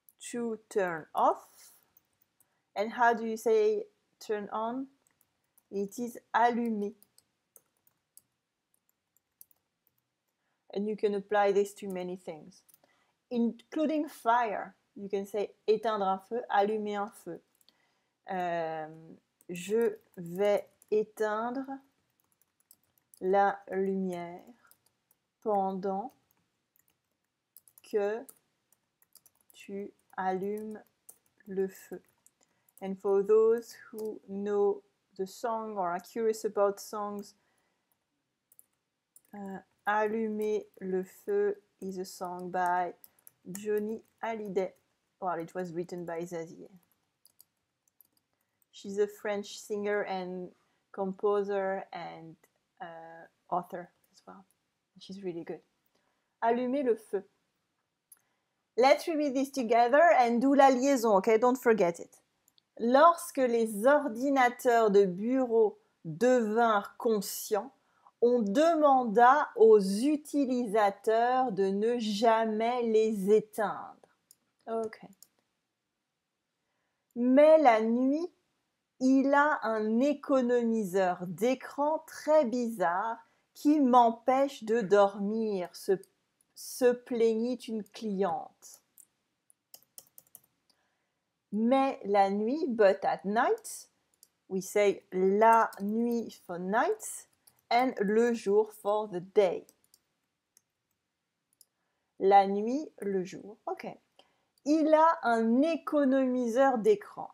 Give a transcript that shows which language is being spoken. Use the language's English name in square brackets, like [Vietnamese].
[English] To turn off. And how do you say turn on? It is allumé. And you can apply this to many things, including fire. You can say [French] éteindre un feu, allumer un feu. Je vais éteindre la lumière pendant que tu allumes le feu. [English] And for those who know the song or are curious about songs, Allumer le feu is a song by Johnny Hallyday. Well, it was written by Zazie. She's a French singer and composer and author as well. She's really good. Allumer le feu. Let's read this together and do la liaison, okay? Don't forget it. [French] Lorsque les ordinateurs de bureau devinrent conscients, on demanda aux utilisateurs de ne jamais les éteindre. OK. Mais la nuit, il a un économiseur d'écran très bizarre qui m'empêche de dormir, se plaignit une cliente. Mais la nuit, [English] but at night, we say la nuit for night and le jour for the day. [French] La nuit, le jour. OK. Il a un économiseur d'écran.